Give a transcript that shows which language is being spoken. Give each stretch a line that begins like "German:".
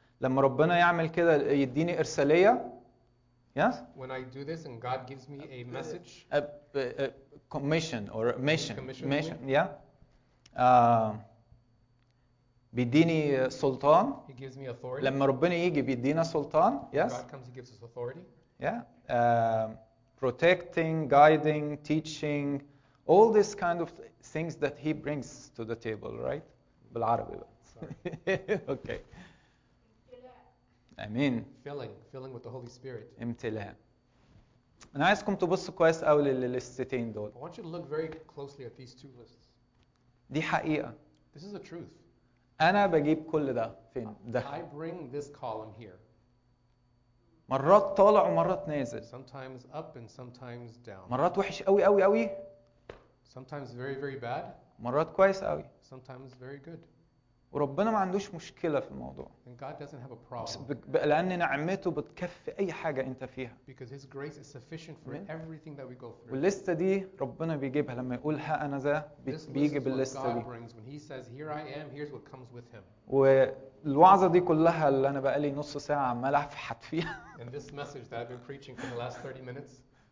Arabic: لما ربنا يعمل كده يديني إرسالية.
English: Yes? when I do this and God gives me a message a commission or a mission commission me.
Arabic: yeah بيديني سلطان.
English: he gives me authority.
Arabic: لما ربنا يجي بيدينا سلطان.
English: yes God comes, he gives us authority. yeah protecting, guiding, teaching, all these kind of things that he brings to the table, right?
Arabic: بالعربي بقى.
English: sorry.
Arabic: okay. امين.
English: filling with the holy spirit.
Arabic: امتلاء. انا عايزكم تبصوا كويس قوي للستين دول.
English: I want you to look very closely at these two lists.
Arabic: دي حقيقه.
English: this is a truth.
Arabic: انا بجيب كل ده فين؟ ده.
English: I bring this column here.
Arabic: مرات طالع ومرات نازل.
English: sometimes up and sometimes down.
Arabic: مرات وحش قوي قوي قوي.
English: sometimes very very bad.
Arabic: مرات كويس قوي.
English: sometimes very good.
Arabic: وربنا ما عندوش مشكلة في الموضوع.
English: And God doesn't have a problem.
Arabic: لأن نعمته بتكفي أي حاجة أنت فيها.
English: Because His grace is sufficient for everything that we go through.
Arabic: واللستة دي ربنا بيجيبها لما يقول ها أنا ذا بيجيب اللستة دي.
English: When He says here I am, here's what comes with Him.
Arabic: والوعظة دي كلها اللي أنا بقالي نص ساعة عمال أفحت فيها.
English: And this message that I've been preaching for the last 30 minutes.